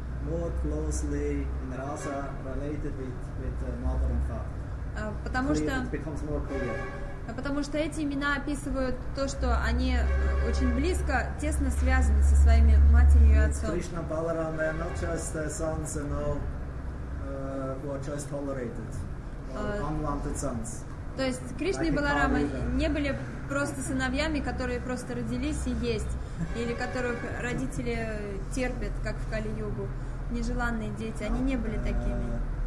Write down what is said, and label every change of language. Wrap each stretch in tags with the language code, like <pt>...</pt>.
<en>More closely in Rasa related with mother and father.</en> <ru>Потому что эти имена описывают то, что они очень близко, тесно связаны со своими матерью и отцом.</ru> <en>Krishna Balaram, they are not just sons, you know, who are just tolerated, unwanted sons.</en> <ru>То есть Кришна и Баларама не были просто сыновьями, которые просто родились и есть, или которых родители терпят, как в Кали-Югу. Нежеланные дети, они не были такими.</ru>